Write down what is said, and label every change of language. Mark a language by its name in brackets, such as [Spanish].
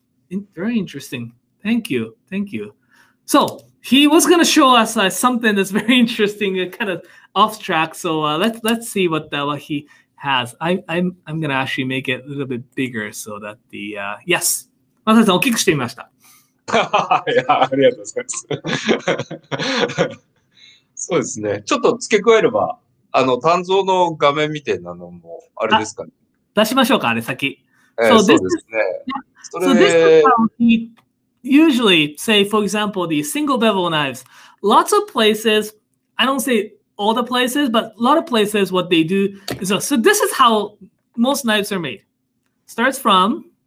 [English] Very interesting. Thank you. So he was going to show us something that's very interesting, kind of off track. So let's see what he has. I'm going to actually make it a little bit bigger so that the, yes. [Japanese] Masashi-san, 大きくしてみました。いやありがとうございます。そうですね。ちょっと付け加えれば、鍛造の画面みたいなのも、あれですかね。出しましょうか、あれ先。そうですね。 [English] So this is how we usually say, for example, the single bevel knives. Lots of places, I don't say all the places, but a lot of places what they do is, so this is how most knives are made. Starts from...